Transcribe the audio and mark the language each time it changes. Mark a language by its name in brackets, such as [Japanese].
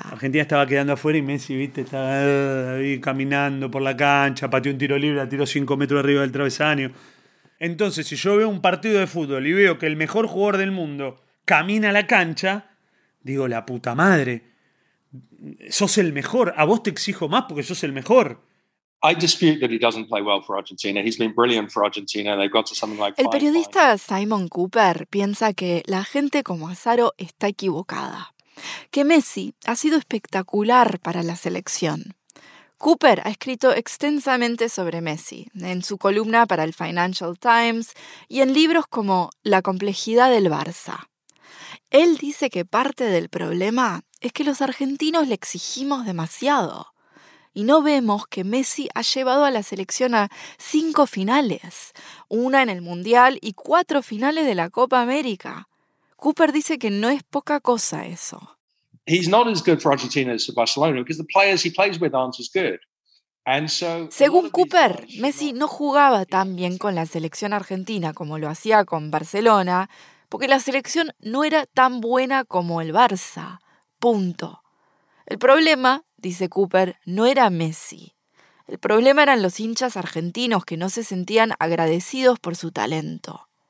[Spanish] Argentina estaba quedando afuera y Messi, viste, estaba ahí caminando por la cancha, pateó un tiro libre, la tiró 5 metros arriba del travesaño. Entonces, si yo veo un partido de fútbol y veo que el mejor jugador del mundo camina a la cancha, digo, la puta madre, sos el mejor, a vos te exijo más porque sos el mejor. [English] I dispute that he doesn't play well for Argentina. He's been brilliant for Argentina. They've got to something like. [Spanish] El periodista Simon Cooper piensa que la gente como Azaro está equivocada, que Messi ha sido espectacular para la selección. Cooper ha escrito extensamente sobre Messi en su columna para el Financial Times y en libros como La complejidad del Barça. Él dice que parte del problema es que los argentinos le exigimos demasiado. Y no vemos que Messi ha llevado a la selección a 5 finales, una en el Mundial y 4 finales de la Copa América. Cooper dice que no es poca cosa eso. [English] He's not as good for Argentina as for Barcelona because the players he plays with aren't as good. [Spanish] Según Cooper, Messi no jugaba tan bien con la selección argentina como lo hacía con Barcelona porque la selección no era tan buena como el Barça. Punto. El problema, dice Cooper, no era Messi. El problema eran los hinchas argentinos que no se sentían agradecidos por su talento.